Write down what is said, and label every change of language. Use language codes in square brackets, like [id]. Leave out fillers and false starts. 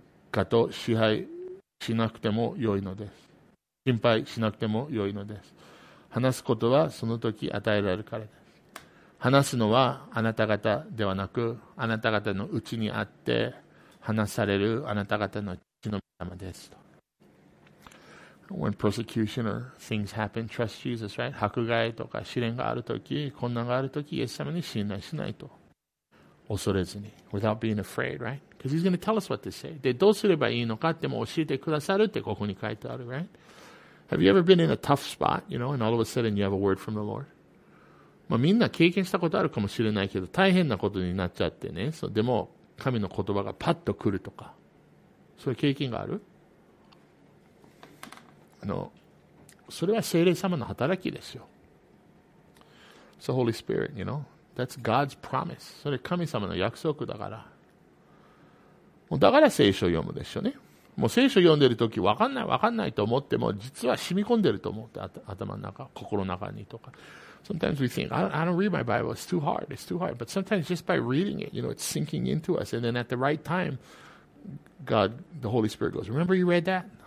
[ja] かと支配しなくてもよいのです心配しなくてもよいのです話すことはその時与えられるからです話すのはあなた方ではなく、あなた方のうちにあって話されるあなた方の血の御霊ですと。 [en] When persecution or things happen, trust Jesus, right? [ja] 迫害とか試練があるとき、困難があるとき、イエス様に信頼しないと。恐れずに。 [en] Without being afraid, right? Because he's going to tell us what to say. [ja] で、どうすればいいのかっても教えてくださるってここに書いてある、right? [en] Have you ever been in a tough spot, you know, and all of a sudden you have a word from the Lord? [ja] まあ、みんな経験したことあるかもしれないけど、大変なことになっちゃってね。そう、でも、神の言葉がパッと来るとか。そういう経験がある? それは聖霊様の働きですよ。 [en] It's the Holy Spirit, you know? That's God's promise. [ja] それ神様の約束だから。もうだから聖書を読むでしょうね。もう聖書を読んでるとき、わかんないわかんないと思っても、実は染み込んでると思って、頭の中、心の中にとか。 [en] Sometimes we think, I don't read my Bible, it's too hard. But sometimes just by reading it, you know, it's sinking into us. And then at the right time, God, the Holy Spirit goes, remember you read that?